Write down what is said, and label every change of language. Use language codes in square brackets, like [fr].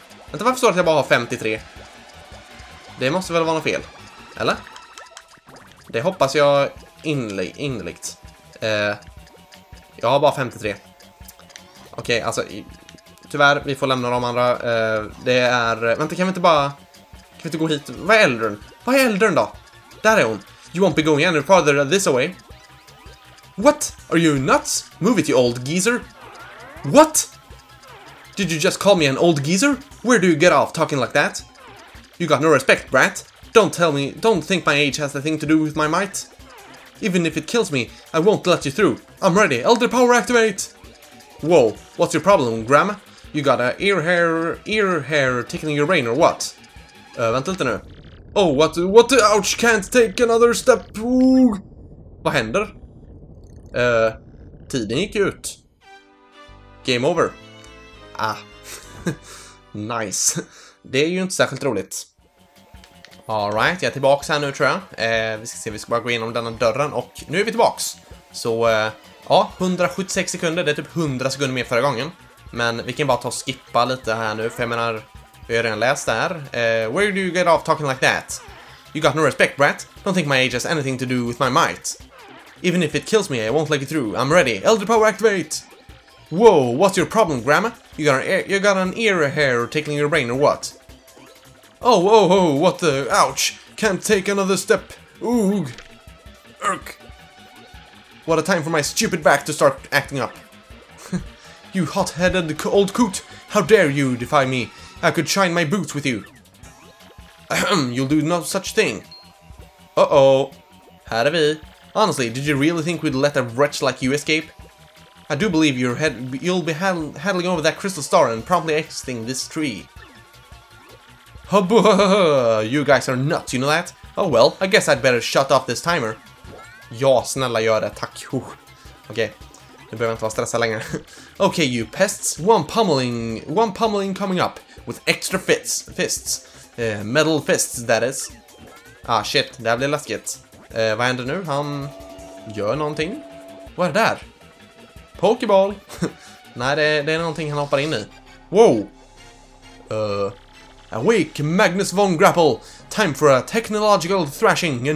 [sv] Vänta, varför står det att jag bara har 53? Det måste väl vara något fel? Eller? Det hoppas jag innerligt. Jag har bara 53. Okej, okay, alltså tyvärr, vi får lämna de andra. Det är, vänta, kan vi inte gå hit? Vad är äldren då? Där är hon. [en] You won't be going any farther this way. What? Are you nuts? Move it, you old geezer. What? Did you just call me an old geezer? Where do you get off talking like that? You got no respect, brat. Don't think my age has a thing to do with my might. Even if it kills me, I won't let you through. I'm ready. Elder power activate. Whoa, what's your problem, grandma? You got a ear hair tickling your brain or what? [sv] Vänta lite nu. [en] Oh, what? Ouch, can't take another step. [sv] Ooh. Vad händer? Tiden gick ut. [en] Game over. [sv] Ah. Nice. Det är ju inte särskilt roligt. [en] All right, [sv] jag är tillbaka här nu tror jag. Vi ska se, vi ska bara gå igenom denna dörren och nu är vi tillbaka. Så, ja, 176 sekunder, det är typ 100 sekunder mer förra gången. Men vi kan bara ta och skippa lite här nu, för jag menar, vi har redan läst det här. [en] Where do you get off talking like that? You got no respect, brat. Don't think my age has anything to do with my might. Even if it kills me, I won't let you through. I'm ready. Elder power activate! Whoa, what's your problem, Grandma? You got an ear hair tickling your brain, or what? Oh, what the... Ouch! Can't take another step! Oog! Urk! What a time for my stupid back to start acting up! You hot-headed old coot! How dare you defy me! I could shine my boots with you! Ahem, you'll do no such thing! Uh-oh! How do we? Honestly, did you really think we'd let a wretch like you escape? I do believe you'll be handling over that crystal star and promptly exiting this tree. You guys are nuts, you know that? Oh well, I guess I'd better shut off this timer. [sv] Ja, snälla gör det, tack. Okej, nu behöver jag inte vara stressad längre. [en] Okej, you pests. One pummeling coming up. With extra fists. Metal fists, that is. Ah shit, [sv] det här blir läskigt. Vad händer nu? Han gör någonting. Vad är det där? Pokéball. Nej, det är någonting han hoppar in i. [en] Wow. Awake, Magnus von Grapple. Time for a technological thrashing.